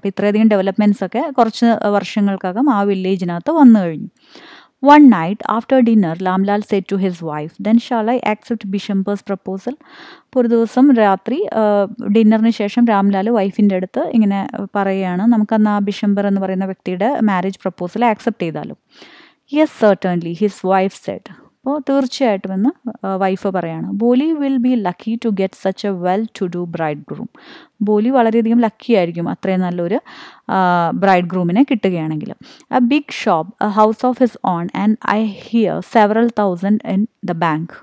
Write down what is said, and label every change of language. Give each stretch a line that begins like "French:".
Malayalam: അപ്പോൾ ഇത്രയധികം ഡെവലപ്മെൻറ്റ്സ് ഒക്കെ കുറച്ച് വർഷങ്ങൾക്കകം ആ വില്ലേജിനകത്ത് വന്നു കഴിഞ്ഞു.
English: One night after dinner Lamlal set to his wife then shall I accept Bishambar's proposal.
Malayalam: അപ്പോൾ ഒരു ദിവസം രാത്രി ഡിന്നറിന് ശേഷം രാംലാൽ വൈഫിൻ്റെ അടുത്ത് ഇങ്ങനെ പറയുകയാണ്, നമുക്കന്ന് ആ ബിഷംബർ എന്ന് പറയുന്ന വ്യക്തിയുടെ മാരേജ് പ്രപ്പോസൽ ആക്സെപ്റ്റ് ചെയ്താലും.
English: Yes, certainly, his wife said.
Malayalam: അപ്പോൾ തീർച്ചയായിട്ടും എന്ന് വൈഫ് പറയാണ്.
English: Bholi will be lucky to get such a well to do bride groom.
Malayalam: ബോലി വളരെയധികം ലക്കി ആയിരിക്കും അത്രയും നല്ലൊരു ബ്രൈഡ് ഗ്രൂമിനെ കിട്ടുകയാണെങ്കിൽ.
English: A big shop, a house of his own and I hear several thousand in the bank.